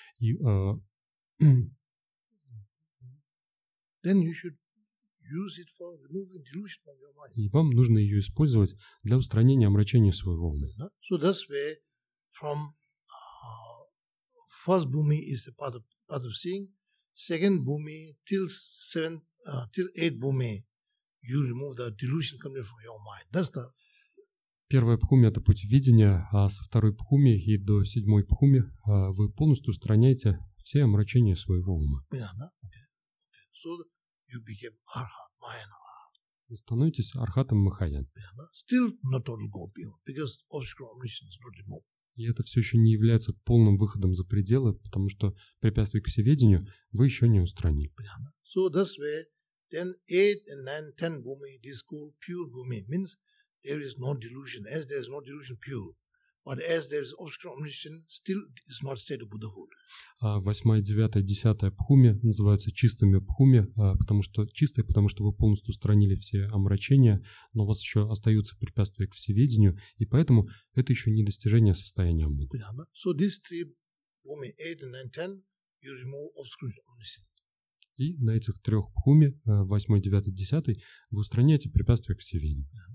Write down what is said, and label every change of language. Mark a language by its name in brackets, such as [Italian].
[English] И, Then you should use it for removing delusion from your mind. [Russian] И вам нужно ее использовать для устранения омрачения своего ума. [English] So that's where from first bhumi is a part of seeing. Second bhumi till seventh till eighth bhumi, you remove the delusion coming from your mind. That's the. [Russian] Первая бхуми это путь видения, а со второй бхуми и до седьмой бхуми вы полностью устраняете все омрачения своего ума. Понятно, да? [English] Okay. So you become arhat, mahayana arhat. [Russian] Вы становитесь архатом махаяна. Понятно. [English] Still not totally go beyond because obscure omniscience is not removed. [Russian] И это все еще не является полным выходом за пределы, потому что препятствие к всеведению вы еще не устранили. [English] So that's where then 8 and 9, 10 bhumi, this called pure bhumi, means there is no delusion. As there is no delusion, pure. But as there is obscure omniscience, still is not state of Buddhahood. [Russian] 8, 9, 10 бхуми называются чистыми бхуми, потому что чистые, потому что вы полностью устранили все омрачения, но у вас еще остаются препятствия к всеведению, и поэтому это еще не достижение состояния ума. Понятно? [English] So these three bhumi, 8 and 9, 10, you remove obscure omniscience. [Russian] И на этих трех бхуми, 8, 9, 10, вы устраняете препятствия к всеведению.